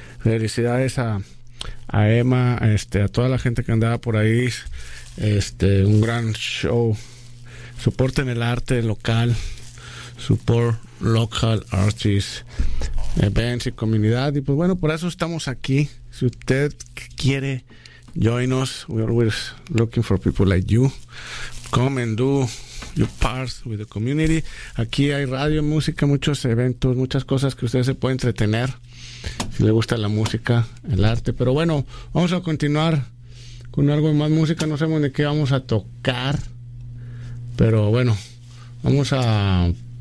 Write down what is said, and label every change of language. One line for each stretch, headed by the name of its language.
Spanish: Felicidades a Emma, a toda la gente que andaba por ahí, un gran show. Soporten el arte local,
English: support local artists, events
Spanish: y comunidad. Y pues bueno, por eso estamos aquí. Si usted quiere
English: join us, we're always looking for people like you. Come and do your part with the community.
Spanish: Aquí hay radio, música, muchos eventos, muchas cosas que ustedes se pueden entretener si le gusta la música, el arte. Pero bueno, vamos a continuar con algo de más música. No sabemos de qué vamos a tocar, pero bueno, vamos a...